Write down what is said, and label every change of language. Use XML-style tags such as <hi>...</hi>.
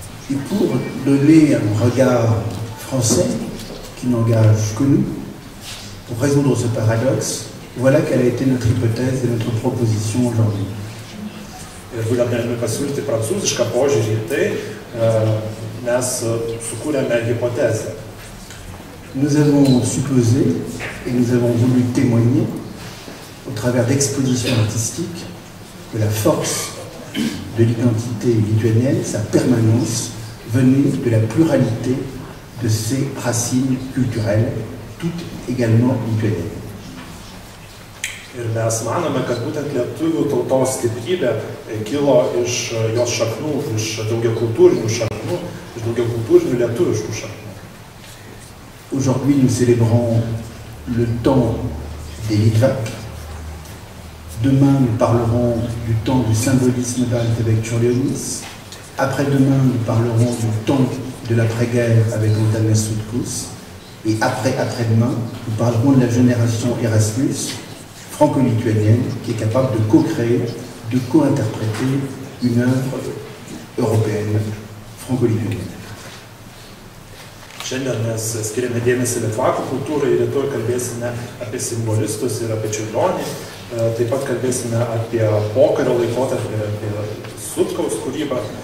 <fr>Et pour donner un regard français qui n'engage que nous, pour résoudre ce paradoxe, voilà quelle a été notre hypothèse et notre proposition aujourd'hui.</fr> <lt>Ir būdami pasiūlyti prancūzišką požiūrį į tai, mes sukūrėme hipotezę.</lt> <fr>Nous avons supposé et nous avons voulu témoigner au travers d'expositions artistiques que la force de l'identité lituanienne, sa permanence, venait de la pluralité de ses racines culturelles, toutes également lituanien.</fr> <lt>Ir mes manome, kad būtent lietuvių tautos stiprybė kilo iš jos šaknų, iš daugiakultūrinių šaknų, iš daugiakultūrinių lietuviškų šaknų.</lt> <fr>Aujourd'hui nous célébrons le temps des Litvaks. Demain nous parlerons du temps du symbolisme d'Alt avec Čiurlionis. Après-demain nous parlerons du temps de l'après-guerre avec Antanas Sutkus. Et après-après-demain nous parlerons de la génération Erasmus franco-lituanienne qui est capable de co-créer, de co-interpréter une œuvre européenne franco-lituanienne.</fr> <lt>Šiandien mes skiriame dėmesį Litvakų kultūrai, rytoj kalbėsime apie simbolistus ir apie Čiurlionį. Taip pat kalbėsime apie pokario laikotarpį, apie Sutkaus kūrybą.</lt>